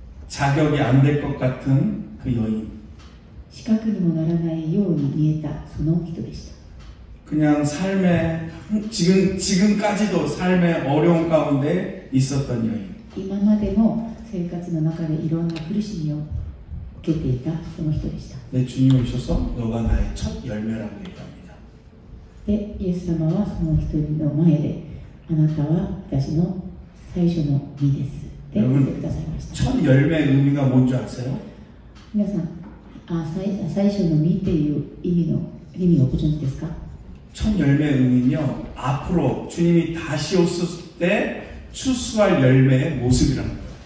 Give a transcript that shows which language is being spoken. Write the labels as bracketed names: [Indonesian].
[Korean] 자격이 안 될 것 같은 그 여인. [Japanese] 資格にもならないように見えたその人でした。 [Korean] 그냥 삶의 지금까지도 삶의 어려움 가운데 있었던 여인. [Japanese] 今までも生活の中でいろんな苦しみを [Korean] 내 주님 오셔서 너가 나의 첫 열매라고 얘기합니다. [Japanese] 네, 예수様はその人の前であなたは私の最初の実です。って言ってくださいました。첫 [Korean] 열매의 의미가 뭔지 아세요? [Japanese] 皆さん, 最初の実っていう意味のご存知ですか? [Korean] 첫 열매의 의미는요, 앞으로 주님이 다시 오셨을 때 추수할 열매의 모습이라는 거예요.